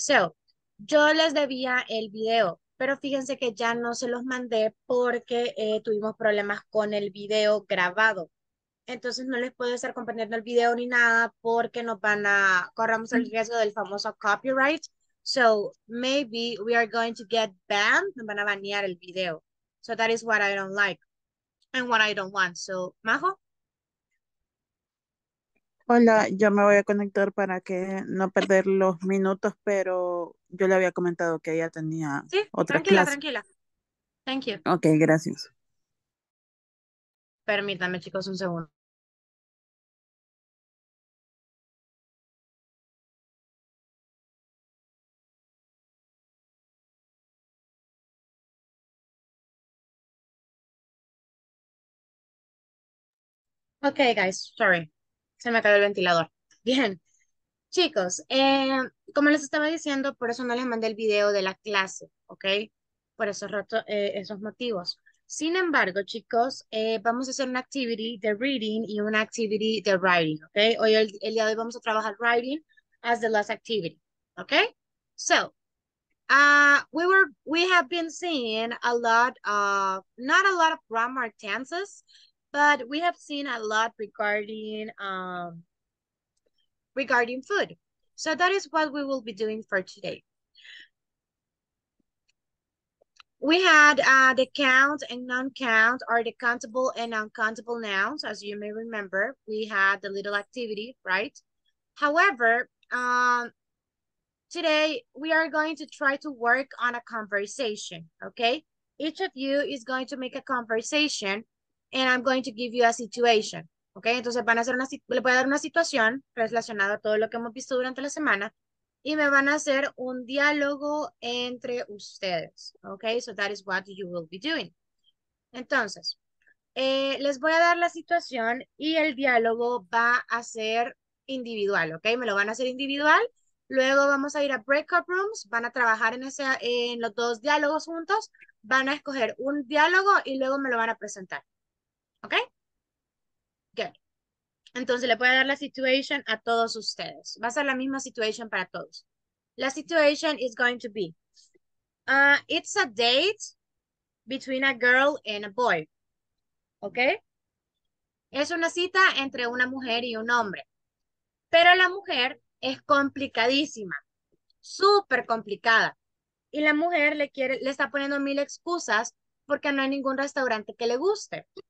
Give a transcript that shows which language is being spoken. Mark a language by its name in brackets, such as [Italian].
[Spanish] So, yo les debía el video, pero fíjense que ya no se los mandé porque tuvimos problemas con el video grabado. Entonces, no les puedo estar compartiendo el video ni nada porque nos van a corramos el riesgo del famoso copyright. [English] So maybe we are going to get banned. [Spanish] Me van a banear el video. [English] So that is what I don't like and what I don't want. So, Majo. [Spanish] Hola, yo me voy a conectar para que no perder los minutos, pero yo le había comentado que ella tenía Sí, otra tranquila, clase. [English] tranquila. Thank you. [Spanish] Ok, gracias. Permítanme, chicos, un segundo. [English] Okay, guys, sorry. [Spanish] Se me cayó el ventilador. Bien. Chicos, como les estaba diciendo, por eso no les mandé el video de la clase, ¿ok? Por esos rato, esos motivos. Sin embargo, chicos, vamos a hacer una activity de reading y una activity de writing, ¿ok? Hoy, el día de hoy, vamos a trabajar [English] writing as the last activity, [Spanish] ¿ok? [English] So, we have been seeing a lot of, not a lot of grammar tenses. But we have seen a lot regarding food. So that is what we will be doing for today. We had the count and non-count, or the countable and uncountable nouns. As you may remember, we had the little activity, right? However, today we are going to try to work on a conversation, okay? Each of you is going to make a conversation. And I'm going to give you a situation, okay? [Spanish] Entonces van a hacer una, le voy a dar una situación relacionada a todo lo que hemos visto durante la semana y me van a hacer un diálogo entre ustedes, okay? [English] So that is what you will be doing. [Spanish] Entonces, les voy a dar la situación y el diálogo va a ser individual, okay? Me lo van a hacer individual. Luego vamos a ir a breakout rooms, van a trabajar en los dos diálogos juntos, van a escoger un diálogo y luego me lo van a presentar. ¿Ok? Entonces le voy a dar la situation a todos ustedes. Va a ser la misma situation para todos. [English] La situation is going to be, it's a date between a girl and a boy. ¿Ok? [Spanish] Es una cita entre una mujer y un hombre. Pero la mujer es complicadísima, súper complicada. Y la mujer le está poniendo mil excusas porque no hay ningún restaurante que le guste.